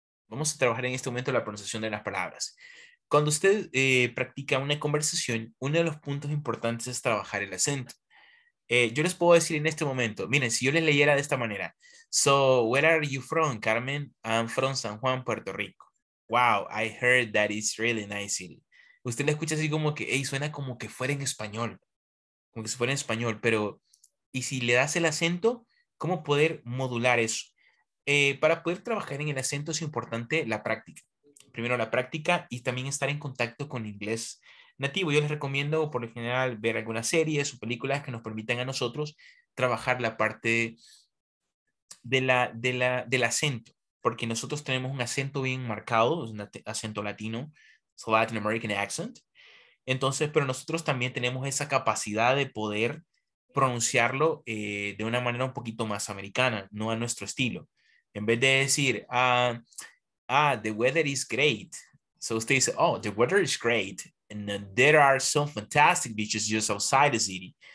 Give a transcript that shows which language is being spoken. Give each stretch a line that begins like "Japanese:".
Spanish: Vamos a trabajar en este momento la pronunciación de las palabras. Cuando usted practica una conversación, uno de los puntos importantes es trabajar el acento. Yo les puedo decir en este momento, miren, si yo les leyera de esta manera.
English: So, where are you from, Carmen? I'm from San Juan, Puerto Rico. Wow, I heard that it's really nice city.
Spanish: Usted la escucha así como que,
English: hey,
Spanish: suena como que fuera en español. Como que se fuera en español, pero... ¿Y si le das el acento? ¿Cómo poder modular eso? Para poder trabajar en el acento es importante la práctica. Primero la práctica y también estar en contacto con inglés nativo. Yo les recomiendo, por lo general, ver algunas series o películas que nos permitan a nosotros trabajar la parte del acento. Porque nosotros tenemos un acento bien marcado, un acento latino.
English: So Latin American accent.
Spanish: Entonces, pero nosotros también tenemos esa capacidad de poder pronunciarlo de una manera un poquito más americana, no a nuestro estilo. En vez de decir,
English: the weather is great. So
Spanish: usted dice,
English: oh, the weather is great. And there are some fantastic beaches just outside the city.